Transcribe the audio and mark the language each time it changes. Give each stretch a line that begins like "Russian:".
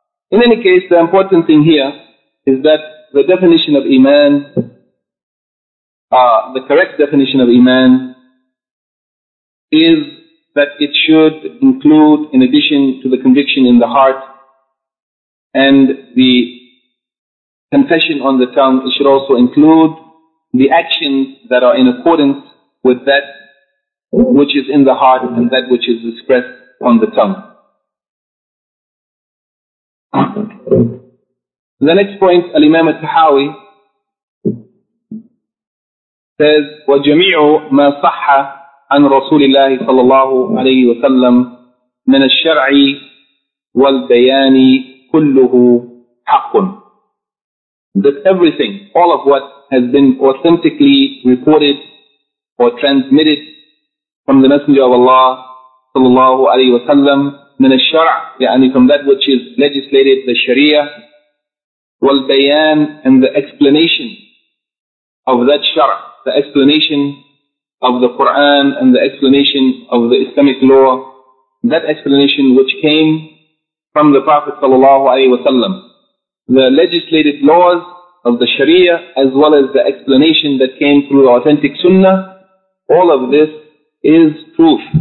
English: In any case, the important thing here is that the definition of iman, the correct definition of iman, is that it should include, in addition to the conviction in the heart and the confession on the tongue, it should also include the actions that are in accordance with that which is in the heart and that which is expressed on the tongue. The next point, Al-Imam al-Tahawi says,
Arabic: وَجَمِيعُ مَا صَحَّ عَنْ رَسُولِ اللَّهِ صَلَى اللَّهُ عَلَيْهِ وَسَلَّمْ مِنَ الشَّرْعِ وَالْبَيَانِ كُلُّهُ حَقٌ.
English: That everything, all of what has been authentically reported or transmitted from the Messenger of Allah
Arabic: صلى الله عليه وسلم من الشرع, يعني
English: from that which is legislated, the Sharia,
Arabic: والبيان,
English: and the explanation of that شرع, the explanation of the Quran and the explanation of the Islamic law, that explanation which came from the Prophet
Arabic: صلى الله عليه وسلم,
English: the legislated laws of the Sharia, as well as the explanation that came through the authentic Sunnah, all of this is proof.